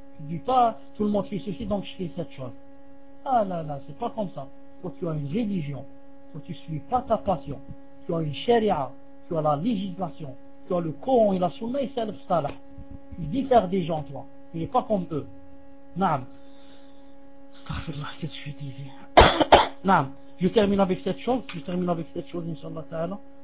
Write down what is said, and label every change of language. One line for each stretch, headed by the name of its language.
French: Tu ne dis pas, tout le monde fait ceci, donc je fais cette chose. Ah là là, c'est pas comme ça. Quand tu as une religion, quand tu ne suis pas ta passion, tu as une sharia, tu as la législation, tu as le Coran et la Sunna et celle de Salah. Tu diffères des gens, toi. Tu n'es pas comme eux.
Arabic: نعم استغفر الله كيف شفتي فيها. نعم
French: je termine avec cette chose, je termine avec cette chose inshallah ta'ala.